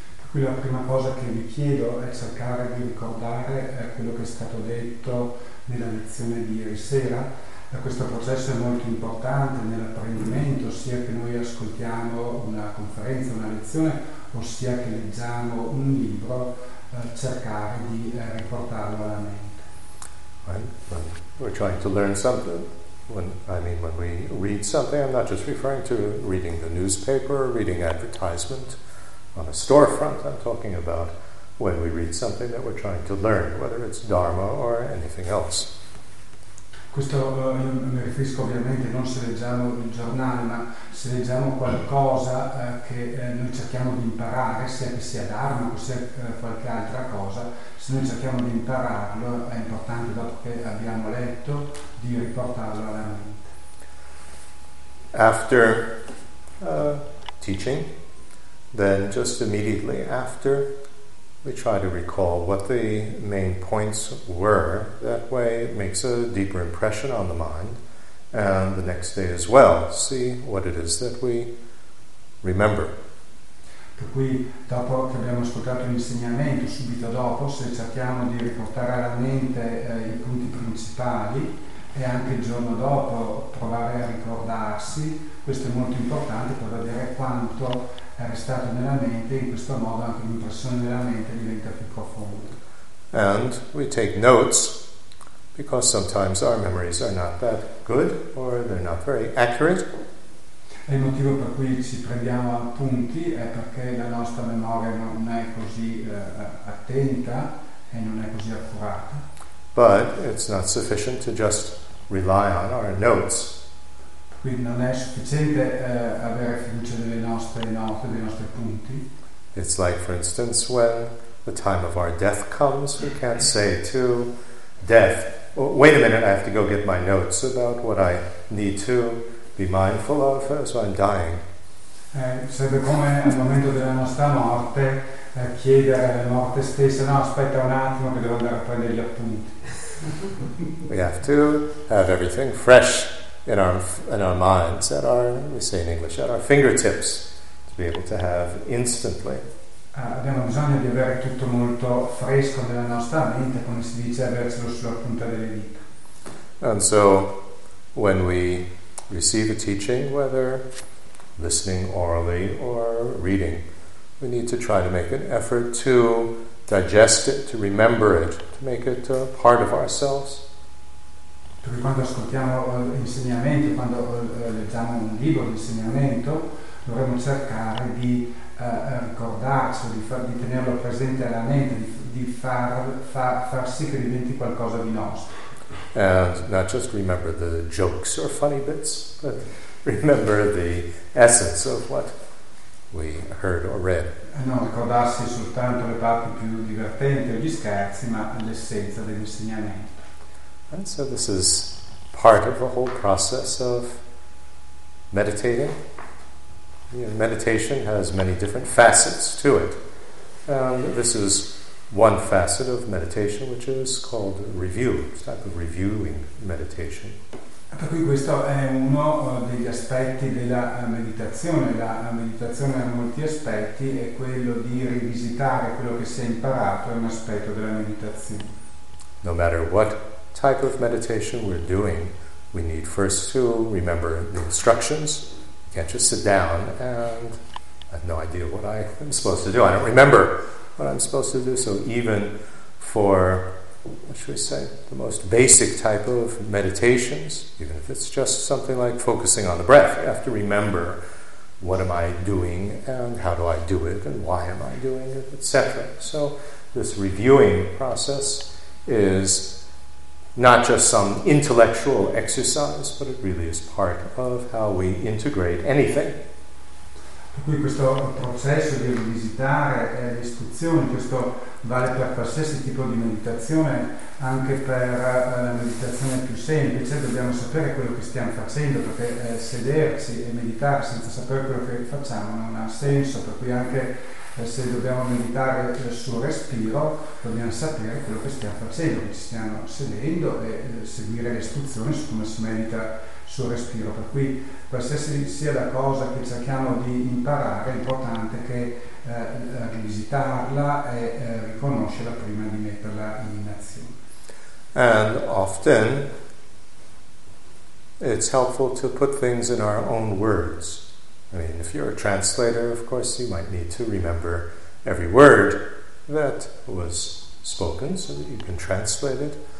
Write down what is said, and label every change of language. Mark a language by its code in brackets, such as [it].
[it] Qui la prima cosa che vi chiedo è cercare di ricordare quello che è stato detto nella lezione di ieri sera. Questo processo è molto importante nell'apprendimento, sia che noi ascoltiamo una conferenza, una lezione, ossia che leggiamo un libro, cercare di riportarlo alla mente. [en] Right. We're trying to learn something. When we read something, I'm not just referring to reading the newspaper or reading advertisement on a storefront. I'm talking about when we read something that we're trying to learn, whether it's Dharma or anything else. [it] Questo mi riferisco ovviamente non se leggiamo il giornale, ma se leggiamo qualcosa che noi cerchiamo di imparare, sia che sia Dharma o sia qualche altra cosa, se noi cerchiamo di impararlo, è importante, dopo che abbiamo letto, di riportarlo alla mente. [en] After teaching, then just immediately after, we try to recall what the main points were. That way it makes a deeper impression on the mind, and the next day as well, see what it is that we remember. [it] Per cui, dopo che abbiamo ascoltato l'insegnamento, subito dopo, se cerchiamo di riportare alla mente i punti principali, e anche il giorno dopo provare a ricordarsi, questo è molto importante per vedere quanto è restato nella mente, in questo modo anche l'impressione della mente diventa più profonda. [en] And we take notes, because sometimes our memories are not that good, or they're not very accurate. [it] E il motivo per cui ci prendiamo appunti è perché la nostra memoria non è così attenta e non è così accurata. [en] But it's not sufficient to just rely on our notes. [it] Quindi non è sufficiente avere fiducia nelle nostre note, dei nostri punti. [en] It's like, for instance, when the time of our death comes, we can't say to death, oh, wait a minute, I have to go get my notes about what I need to be mindful of as I'm dying. [it] Sarebbe come al momento della nostra morte chiedere alla morte stessa, no, aspetta un attimo che devo andare a prendere gli appunti. [en] We have to have everything fresh in our minds, at our, we say in English, at our fingertips, to be able to have instantly. [it] Abbiamo bisogno di avere tutto molto fresco nella nostra mente, come si dice, avercelo sulla punta delle dita. [en] And so, when we receive a teaching, whether listening orally or reading, we need to try to make an effort to digest it, to remember it, to make it a part of ourselves. [it] Perché quando ascoltiamo l'insegnamento, quando leggiamo un libro di insegnamento, dovremmo cercare di ricordarci, di tenerlo presente alla mente, di far sì che diventi qualcosa di nostro. [en] And not just remember the jokes or funny bits, but remember the essence of what we heard or read. [it] Non ricordarsi soltanto le parti più divertenti o gli scherzi, ma l'essenza dell'insegnamento. [en] And so this is part of the whole process of meditating. You know, meditation has many different facets to it. And this is one facet of meditation, which is called review, type of reviewing meditation. [it] Per cui questo è uno degli aspetti della meditazione. La meditazione ha molti aspetti, e quello di rivisitare quello che si è imparato è un aspetto della meditazione. [en] No matter what type of meditation we're doing, we need first to remember the instructions. You can't just sit down and I have no idea what I am supposed to do. I don't remember what I'm supposed to do. So even for, what should we say, the most basic type of meditations, even if it's just something like focusing on the breath, you have to remember what am I doing and how do I do it and why am I doing it, etc. So this reviewing process is not just some intellectual exercise, but it really is part of how we integrate anything. [it] Qui questo processo di visitare è l'istruzione, questo vale per qualsiasi tipo di meditazione, anche per la meditazione più semplice, dobbiamo sapere quello che stiamo facendo, perché sedersi e meditare senza sapere quello che facciamo non ha senso, per cui anche se dobbiamo meditare sul respiro, dobbiamo sapere quello che stiamo facendo, ci stiamo sedendo e seguire le istruzioni su come si medita sul respiro. Per cui qualsiasi sia la cosa che cerchiamo di imparare, è importante che visitarla e riconoscerla prima di metterla in azione. [en] And often it's helpful to put things in our own words. I mean, if you're a translator, of course, you might need to remember every word that was spoken so that you can translate it.